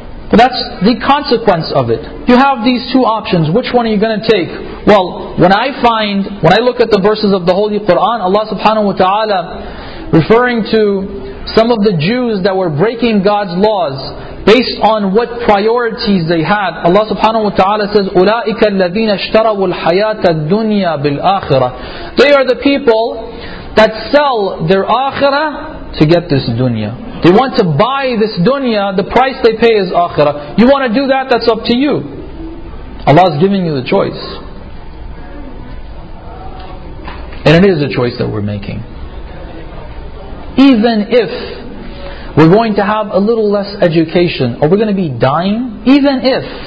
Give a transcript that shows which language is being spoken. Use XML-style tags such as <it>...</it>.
<en>But that's the consequence of it. You have these two options. Which one are you going to take? Well, when I look at the verses of the Holy Quran, Allah subhanahu wa ta'ala referring to some of the Jews that were breaking God's laws based on what priorities they had.</en> <ar>Allah subhanahu wa ta'ala says, أُولَٰئِكَ الَّذِينَ اشْتَرَوُوا الْحَيَاةَ الدُّنْيَا بِالْآخِرَةِ.</ar> <en>They are the people that sell their akhirah to get this dunya. They want to buy this dunya, the price they pay is akhirah. You want to do that, that's up to you. Allah is giving you the choice. And it is a choice that we're making. Even if we're going to have a little less education, are we going to be dying? Even if.</en>